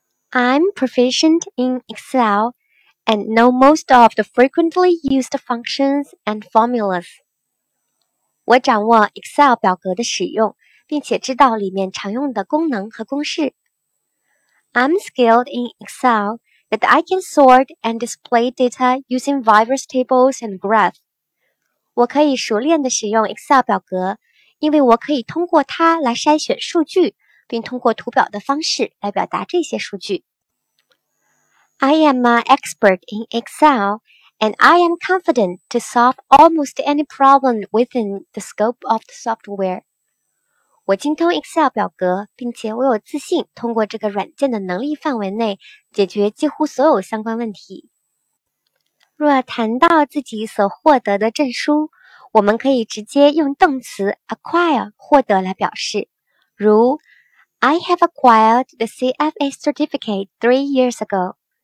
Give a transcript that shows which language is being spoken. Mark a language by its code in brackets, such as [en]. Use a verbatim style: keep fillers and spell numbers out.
[en] I'm proficient in Excel and know most of the frequently used functions and formulas。 [zh] 我掌握 Excel 表格的使用，并且知道里面常用的功能和公式。 [en] I'm skilled in Excel that I can sort and display data using various tables and graphs. [zh] 我可以熟练地使用 Excel 表格，因为我可以通过它来筛选数据，并通过图表的方式来表达这些数据。 [en] I am an expert in Excel, and I am confident to solve almost any problem within the scope of the software. [zh] 我精通 Excel 表格，并且我有自信通过这个软件的能力范围内解决几乎所有相关问题。若谈到自己所获得的证书，我们可以直接用动词 acquire 获得来表示，如 [en] I have acquired the C F A certificate three years ago.